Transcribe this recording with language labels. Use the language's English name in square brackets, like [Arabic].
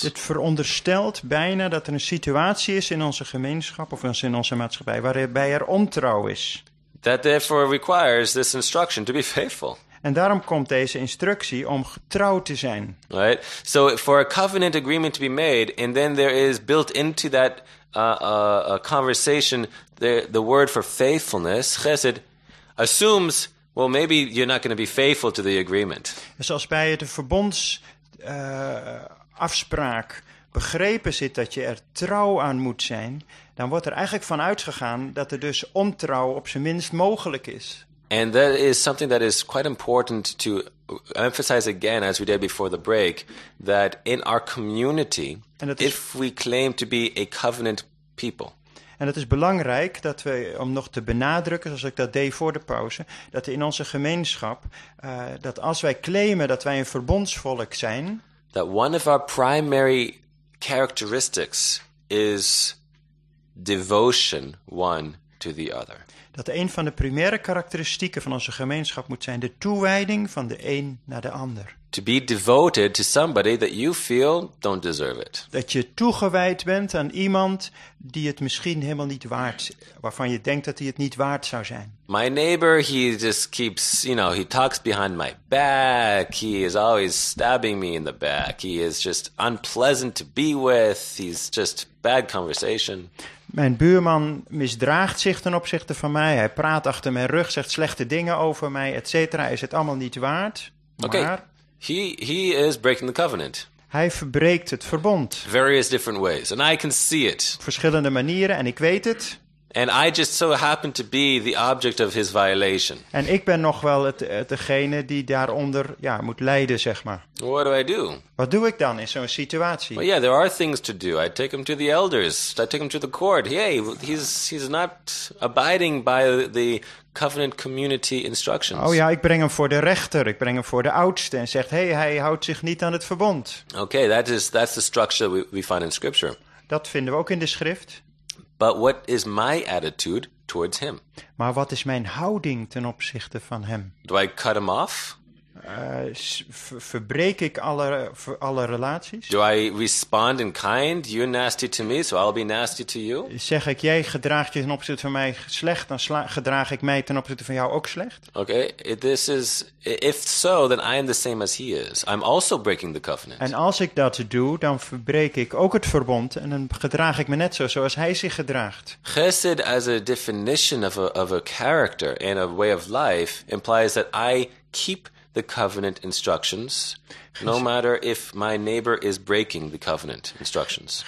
[Dutch] Dit veronderstelt bijna dat er een situatie is in onze gemeenschap of in onze maatschappij waarbij er ontrouw is. [English] That therefore requires this instruction to be faithful. [Dutch] En daarom komt deze instructie om getrouw te zijn. [English] Right. So for a covenant agreement to be made and then there is built into that a conversation the word for faithfulness, chesed, assumes. Well, maybe you're not going to be faithful to the agreement. [Dutch] Zoals bij de verbondsafspraak begrepen zit dat je er trouw aan moet zijn, dan wordt er eigenlijk van uitgegaan dat er dus ontrouw op zijn minst mogelijk is. [English] And that is something that is quite important to emphasize again, as we did before the break, that in our community, if we claim to be a covenant people. [Dutch] En het is belangrijk dat we, om nog te benadrukken, zoals ik dat deed voor de pauze, dat in onze gemeenschap, dat als wij claimen dat wij een verbondsvolk zijn, [English] that one of our primary characteristics is devotion one to the other. [Dutch] Dat een van de primaire karakteristieken van onze gemeenschap moet zijn de toewijding van de een naar de ander. [English] To be devoted to somebody that you feel don't deserve it. [Dutch] Dat je toegewijd bent aan iemand die het misschien helemaal niet waard, waarvan je denkt dat hij het niet waard zou zijn. [English] My neighbor, he just keeps, you know, he talks behind my back. He is always stabbing me in the back. He is just unpleasant to be with. He's just bad conversation. [Dutch] Mijn buurman misdraagt zich ten opzichte van mij. Hij praat achter mijn rug, zegt slechte dingen over mij, et cetera. Is het allemaal niet waard? [English] Okay. [Dutch] Maar [English] he is breaking the covenant. [Dutch] Hij verbreekt het verbond. [English] Various different ways, and I can see it. [Dutch] Verschillende manieren, en ik weet het. [English] And I just so happen to be the object of his violation. [Dutch] En ik ben nog wel degene die daaronder moet lijden, zeg maar. [English] What do I do? [Dutch] Wat doe ik dan in zo'n situatie? [English] Well, yeah, there are things to do. I take him to the elders. I take him to the court. Hey, he's not abiding by the covenant community instructions. [Dutch] Oh ja, ik breng hem voor de rechter. Ik breng hem voor de oudste en zegt, hey, hij houdt zich niet aan het verbond. [English] Okay, that's the structure we find in scripture. [Dutch] Dat vinden we ook in de schrift. [English] But what is my attitude towards him? [Dutch] Maar wat is mijn houding ten opzichte van hem? [English] Do I cut him off? [Dutch] Verbreek ik alle relaties? [English] Do I respond in kind? You're nasty to me, so I'll be nasty to you. [Dutch] Zeg ik, jij gedraagt je ten opzichte van mij slecht, dan gedraag ik mij ten opzichte van jou ook slecht. [English] Okay, this is if so, then I am the same as he is. I'm also breaking the covenant. [Dutch] En als ik dat doe, dan verbreek ik ook het verbond en dan gedraag ik me net zoals hij zich gedraagt. [English] Chesed as a definition of a character and a way of life implies that I keep the covenant instructions, no matter if my neighbor is breaking the covenant instructions.